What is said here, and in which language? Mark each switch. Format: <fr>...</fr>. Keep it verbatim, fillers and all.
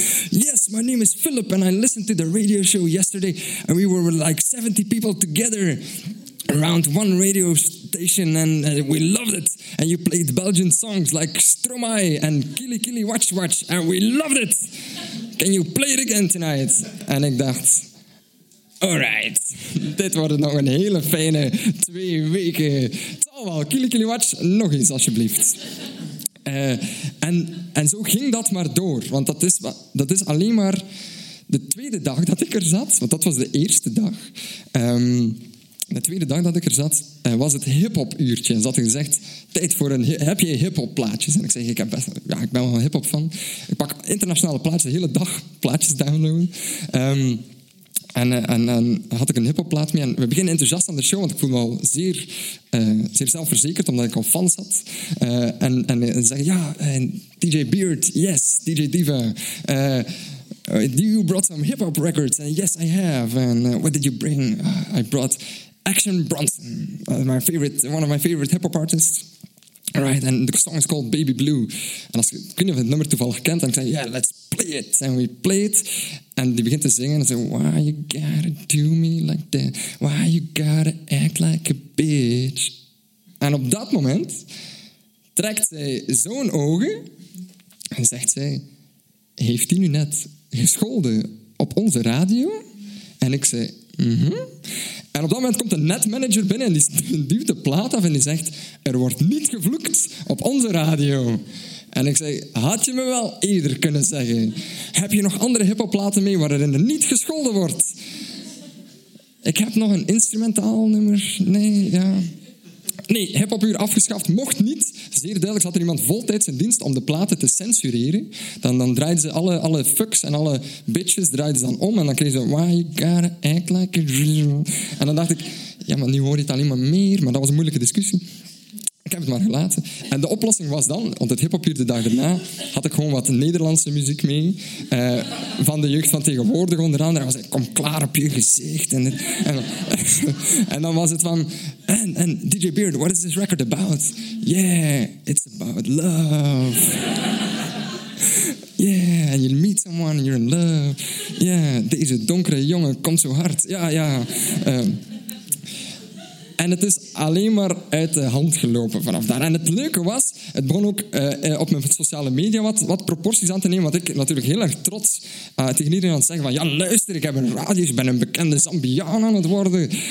<en>Yes, my name is Philip and I listened to the radio show yesterday. And we were like seventy people together around one radio station and uh, we loved it. And you played Belgian songs like Stromae and Kili Kili Watch Watch. And we loved it. Can you play it again tonight?</en> <nl>En ik dacht... alright, dit wordt nog een hele fijne twee weken. Het zal wel, Kili Kili Watch, nog eens alsjeblieft. Uh, en, en zo ging dat maar door, want dat is, dat is alleen maar de tweede dag dat ik er zat, want dat was de eerste dag. Um, de tweede dag dat ik er zat, uh, was het hip-hop uurtje. En ze hadden gezegd, tijd voor een, heb je hip-hop plaatjes? En ik zeg, ik, heb best, ja, ik ben wel een hip-hop fan. Ik pak internationale plaatjes, de hele dag plaatjes downloaden. Um, En, en, en had ik een hiphopplaat mee. En we beginnen enthousiast aan de show, want ik voel me al zeer, uh, zeer zelfverzekerd, omdat ik al fans had. Uh, en, en, en zeggen, ja, uh, D J Beard, yes, D J Diva.</nl> <en>Uh, you brought some hip-hop records. And yes, I have. And uh, what did you bring? Uh, I brought Action Bronson, uh, my favorite, one of my favorite hip-hop artists. Alright, and the song is called Baby Blue.</en> <nl>En als, ik weet niet of je het nummer toevallig kent, en ik zei,</nl> <en>yeah, let's play it.</en> <nl>En we</nl> <en>play it.</en> <nl>En die begint te zingen en zei,</nl> <en>why you gotta do me like that? Why you gotta act like a bitch?</en> <nl>En op dat moment trekt zij zo'n ogen en zegt zij, heeft die nu net gescholden op onze radio? En ik zei, mhm. En op dat moment komt een netmanager binnen en die duwt de plaat af en die zegt, er wordt niet gevloekt op onze radio. En ik zei, had je me wel eerder kunnen zeggen? Heb je nog andere hiphopplaten mee waarin er niet gescholden wordt? Ik heb nog een instrumentaal nummer. Nee, ja... nee, hiphopuur afgeschaft mocht niet. Zeer duidelijk zat er iemand voltijds in dienst om de platen te censureren. Dan, dan draaiden ze alle, alle fucks en alle bitches draaiden ze dan om. En dan kregen ze...</nl> <en>why you gotta act like a...</en> <nl>En dan dacht ik... ja, maar nu hoor je het alleen maar meer. Maar dat was een moeilijke discussie. Ik heb het maar gelaten. En de oplossing was dan... want het hiphopuur de dag daarna... had ik gewoon wat Nederlandse muziek mee. Uh, van de jeugd van tegenwoordig onder andere. En was ik, kom klaar op je gezicht. En, dit, en, en dan was het van...</nl> <en>And, and D J Beard, what is this record about? Yeah, it's about love. Yeah, and you meet someone and you're in love.</en> <nl>Yeah, deze donkere jongen komt zo hard. Ja, ja. Um, En het is alleen maar uit de hand gelopen vanaf daar. En het leuke was, het begon ook uh, op mijn sociale media wat, wat proporties aan te nemen. Want ik natuurlijk heel erg trots uh, tegen iedereen aan het zeggen van... Ja, luister, ik heb een radio, ik ben een bekende Zambiaan aan het worden.</nl>